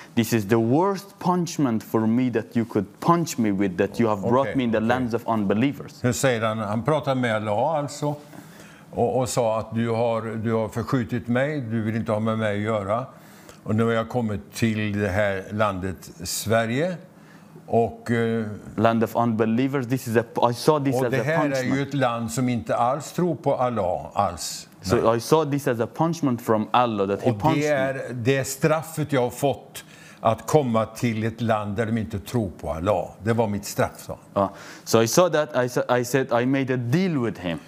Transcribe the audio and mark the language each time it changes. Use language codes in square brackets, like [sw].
[en] This is the worst punishment for me that you could punch me with, that you have brought me in the lands of unbelievers. [sv] Nu säger han, han pratar med Allah alltså. Och sa att du har förskjutit mig, du vill inte ha med mig att göra. Och nu har jag kommit till det här landet Sverige. Och [en] land of unbelievers, this is a, I saw this as a punishment. [sv] Och det här är ju ett land som inte alls tror på Allah alls. [en] So I saw this as a punishment from Allah that he punched me. [sv] Och det är straffet jag har fått att komma till ett land där de inte tror på Allah. Det var mitt straff, sa han. [en] So I saw that, I said I made a deal with him.